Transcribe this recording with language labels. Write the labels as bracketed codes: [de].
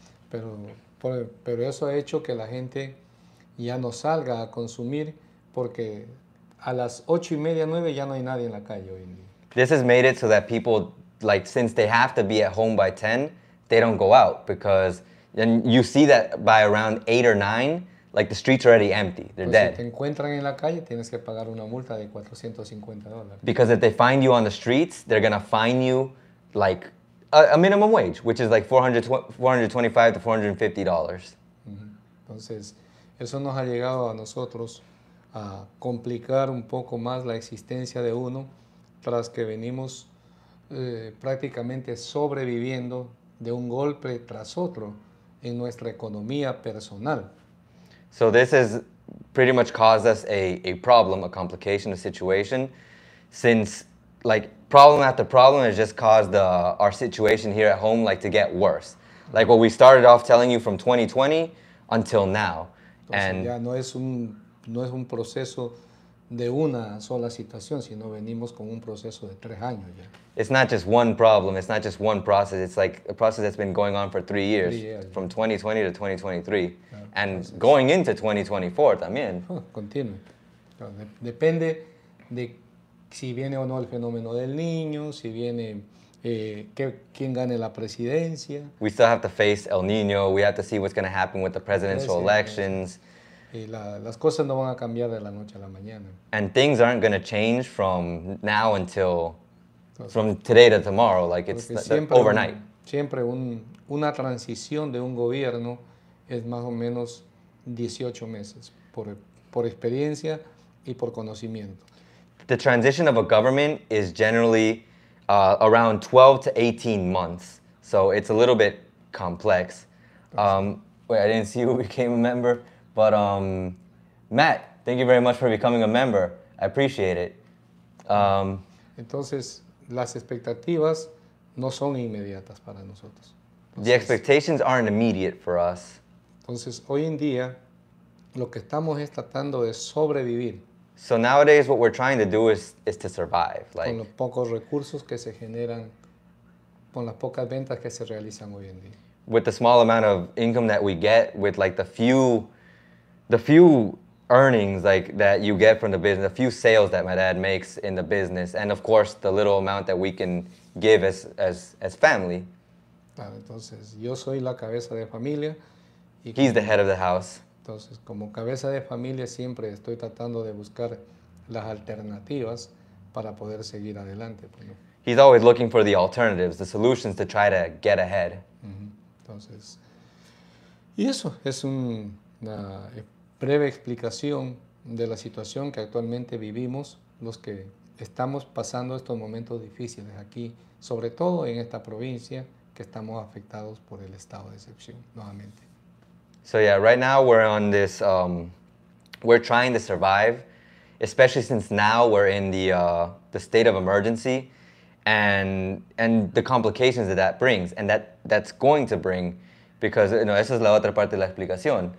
[es] Pero eso ha hecho que la gente ya no salga a consumir porque a las 8:30, 9 ya no hay nadie en la calle hoy en día. [en] This has made it so that people, like, since they have to be at home by 10, they don't go out, because then you see that by around 8 or 9, like the streets are already empty, they're [es] pues [en] dead. [es] Si te encuentran en la calle, tienes que pagar una multa de $450. [en] Because if they find you on the streets, they're gonna fine you like a minimum wage, which is like $425 to $450. [es] Entonces, eso nos ha llegado a nosotros a complicar un poco más la existencia de uno, tras que venimos prácticamente sobreviviendo de un golpe tras otro en nuestra economía personal. [en] So this has pretty much caused us a problem, a complication, a situation, since like problem after problem has just caused our situation here at home like to get worse. Like what we started off telling you from 2020 until now. [es] Entonces, [en] and [es] ya no es un proceso de una sola situación, sino venimos con un proceso de 3 años ya. [en] It's not just one problem, it's not just one process, it's like a process that's been going on for 3 years, from 2020 to 2023, [es] claro, [en] and [es] entonces, [en] going into 2024 [es] también. Continúa. Depende de si viene o no el fenómeno del niño, si viene quién gane la presidencia. [en] We still have to face El Niño, we have to see what's going to happen with the presidential elections. [es] Las cosas no van a cambiar de la noche a la mañana. [en] And things aren't going to change from now until, from today to tomorrow, like it's overnight. [es] Siempre una transición de un gobierno es más o menos 18 meses, por experiencia y por conocimiento. [en] The transition of a government is generally around 12 to 18 months, so it's a little bit complex. Wait, I didn't see who became a member. But Matt, thank you very much for becoming a member. I appreciate it. [es] Entonces, las expectativas no son inmediatas para nosotros. Entonces, [en] the expectations aren't immediate for us. [es] Entonces, hoy en día, lo que estamos es tratando de sobrevivir. [en] So nowadays, what we're trying to do is to survive. Like, [es] con los pocos recursos que se generan, con las pocas ventas que se realizan hoy en día. [en] With the small amount of income that we get, with like the few earnings like that you get from the business, the few sales that my dad makes in the business, and of course the little amount that we can give as family. [es] Claro, entonces yo soy la cabeza de familia. Y [en] he's the head of the house. [es] Entonces, como cabeza de familia, siempre estoy tratando de buscar las alternativas para poder seguir adelante. Pues, ¿no? [en] He's always looking for the alternatives, the solutions to try to get ahead. [es] Entonces, y eso es una breve explicación de la situación que actualmente vivimos los que estamos pasando estos momentos difíciles aquí, sobre todo en esta provincia que estamos afectados por el estado de excepción nuevamente. [en] So yeah, right now we're on this, we're trying to survive, especially since now we're in the state of emergency and the complications that brings and that's going to bring, because, you know, [es] esa es la otra parte de la explicación.